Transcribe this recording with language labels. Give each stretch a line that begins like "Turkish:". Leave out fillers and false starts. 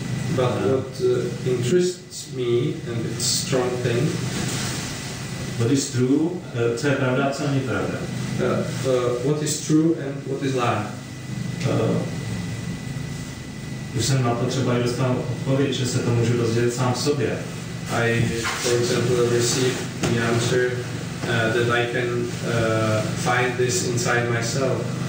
English: But what interests me, and it's a strong thing. What is true,
Czech: co je pravda, co není pravda.
English: What is true and what is lie.
Czech: Už jsem na to třeba dostal odpověď, že se to můžu rozdělit sám sobě.
English: I, for example, received the answer that I can find this inside myself.